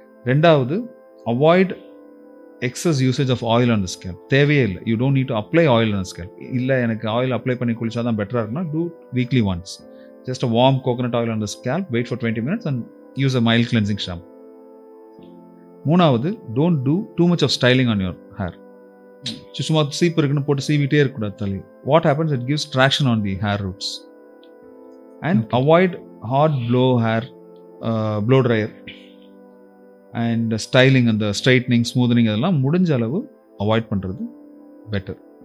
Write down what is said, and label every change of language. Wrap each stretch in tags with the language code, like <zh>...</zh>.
<en>ரெண்டாவது avoid excess usage of oil on the scalp.</en> <ta>தேவையே இல்லை,</ta> <en>You don't need to apply oil on the scalp.</en> <ta>இல்லை எனக்கு oil apply பண்ணி குளிச்சா தான் பெட்டராக இருக்குன்னா</ta> <en>Do weekly once just a warm coconut oil on the scalp, wait for 20 minutes and use a mild cleansing shampoo.</en> <ta>மூணாவது,</ta> <en>don't do too much of styling on your hair.</en> <ta>சும்மா cheap இருக்குன்னு போட்டு சீவிட்டே இருக்கக்கூடாது தலையை.</ta> <en>What happens, it gives traction on the hair roots. And avoid hard blow hair, blow dryer and styling, அந்த straightening smoothing</en> <ta>அதெல்லாம் முடிஞ்ச அளவு அவாய்ட் பண்ணுறது பெட்டர்.</ta>